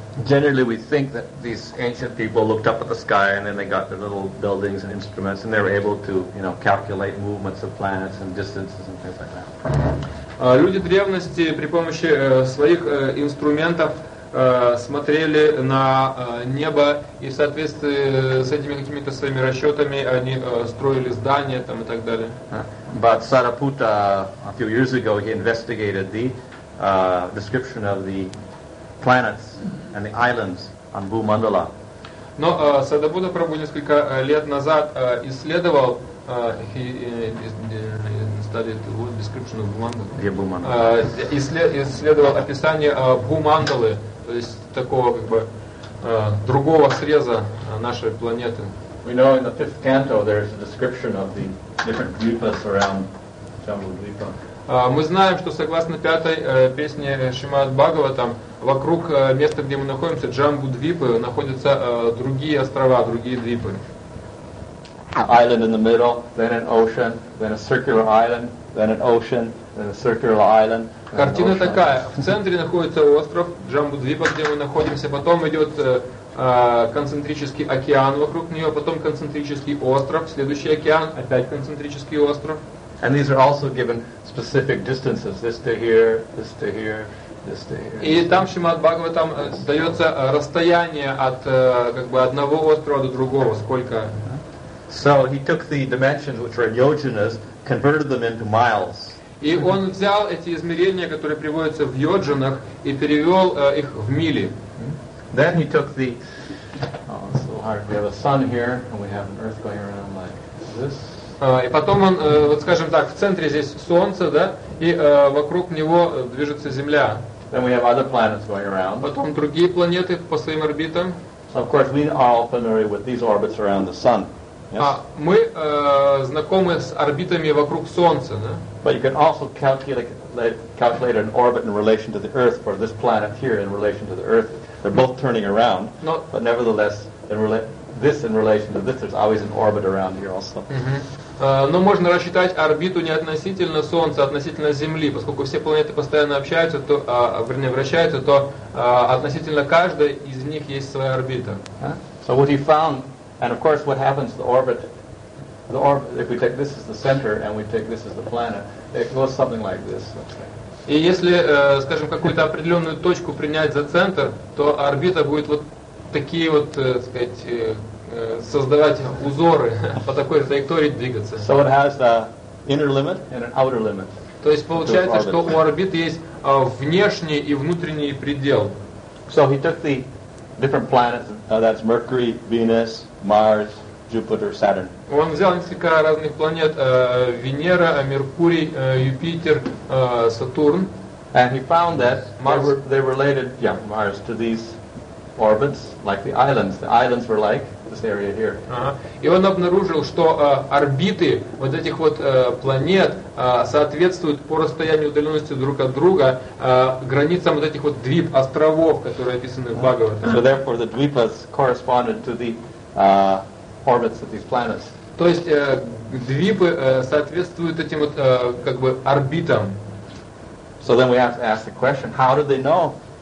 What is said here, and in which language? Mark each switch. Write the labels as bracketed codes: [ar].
[en] Generally, we think that these ancient people looked up at the sky and then they got their little buildings and instruments and they were able to, you know, calculate movements of planets and distances and things like that. [ru] Люди древности при помощи своих инструментов смотрели на небо и в соответствии с этими какими-то своими расчетами они строили здания там и так далее. [en] But Sariputta a few years ago he investigated the description of the planets and the islands on Bhumandala. [ru] Но Сарипутта Прабху несколько лет назад исследовал исследовал описание Бхумандалы, то есть такого как бы другого среза нашей планеты. [en] We know in the fifth canto there is a description of the different dvipas around Jambudvipa. [ru] Мы знаем, что согласно пятой песне Шримад Бхагаватам, вокруг места, где мы находимся, Джамбудвипы, находятся другие острова, другие двипы. [en] An island in the middle, then an ocean, then a circular island, then an ocean, then a circular island. [ru] Картина такая. В центре находится остров Джамбудвипа, где мы находимся. Потом идет концентрический океан вокруг нее. Потом концентрический остров. Следующий океан. Опять концентрический остров. [en] And these are also given specific distances, this to here, this to here. [ru] И там Шримад Бхагаватам дается расстояние от как бы одного острова до другого, сколько. [en] So he took the dimensions which were yojanas, converted them into miles. [ru] И он взял эти измерения, которые приводятся в йоджанах, и перевел их в мили. [en] Then he took the. We have a sun here, and we have an earth going around like this. [ru] И потом он, вот скажем так, в центре здесь солнце, да, и вокруг него движется Земля. [en] Then we have other planets going around. [ru] Потом другие планеты по своим орбитам. [en] So of course, we are all familiar with these orbits around the sun. Yes? [ru] А мы знакомы с орбитами вокруг Солнца, да? [en] But you can also calculate an orbit in relation to the Earth for this planet here in relation to the Earth. They're both turning around, but nevertheless, this in relation to this, there's always an orbit around here also. [ru] Но можно рассчитать орбиту не относительно Солнца, а относительно Земли, поскольку все планеты постоянно общаются, то вернее вращаются, то относительно каждой из них есть своя орбита. [en] So what he found, and of course what happens to the orbit, if we take this as the center and we take this as the planet, it goes something like this. [ru] И если, скажем, какую-то определенную точку принять за центр, то орбита будет вот такие вот, так сказать, создавать узоры по такой траектории двигаться. [en] So it has an inner limit and an outer limit. [ru] То есть получается, что у орбиты есть внешний и внутренний предел. [en] So he took the different planets, that's Mercury, Venus, Mars, Jupiter, Saturn. [ru] Он взял несколько разных планет: Венера, Меркурий, Юпитер, Сатурн. [en] And he found that they related, yeah, Mars to these orbits, like the islands. The islands were like this area here. [ru] И он обнаружил, что орбиты вот этих вот планет соответствуют по расстоянию удаленности друг от друга границам вот этих вот двип островов, которые описаны в Бхагаватам. [en] So therefore the dvipas corresponded to the orbits of these planets. [ru] То есть двипы соответствуют этим вот как бы орбитам. [en] So then we have to ask the question, how did they know?